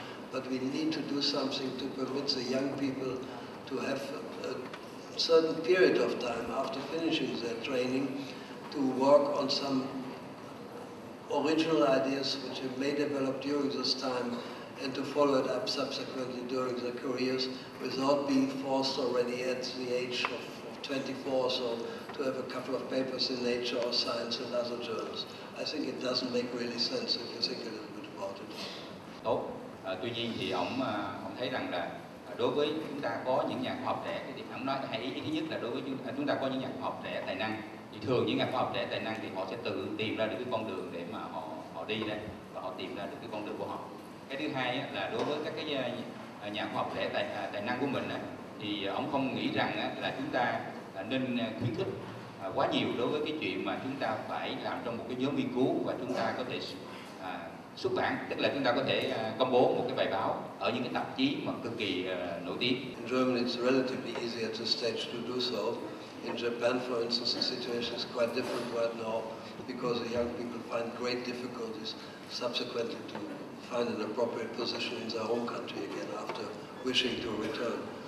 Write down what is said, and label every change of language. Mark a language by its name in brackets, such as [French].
[English] But we need to do something to permit the young people to have a certain period of time after finishing their training to work on some original ideas which they may develop during this time and to follow it up subsequently during their careers without being forced already at the age of 24 or so to have a couple of papers in Nature or Science and other journals. I think it doesn't make really sense if you think a little bit about it. [Vietnamese] Tuy nhiên thì ông thấy rằng là đối với chúng ta có những nhà khoa học trẻ thì ông nói hãy ý thứ nhất là đối với chúng ta có những nhà khoa học trẻ tài năng thì thường những nhà khoa học trẻ tài năng thì họ sẽ tự tìm ra được cái con đường để mà họ đi đấy và họ tìm ra được cái con đường của họ. Cái thứ hai là đối với các cái nhà khoa học trẻ tài năng của mình thì ông không nghĩ rằng là chúng ta nên khuyến khích quá nhiều đối với cái chuyện mà chúng ta phải làm trong một cái nhóm nghiên cứu và chúng ta có thể xuất bản, tức là chúng ta có thể công bố một cái bài báo ở những cái tạp chí mà cực kỳ nổi tiếng. [English] In Germany it's relatively easy at this stage to do so. In Japan, for instance, the situation is quite different right now because the young people find great difficulties subsequently to find an appropriate position in their home country again after wishing to return.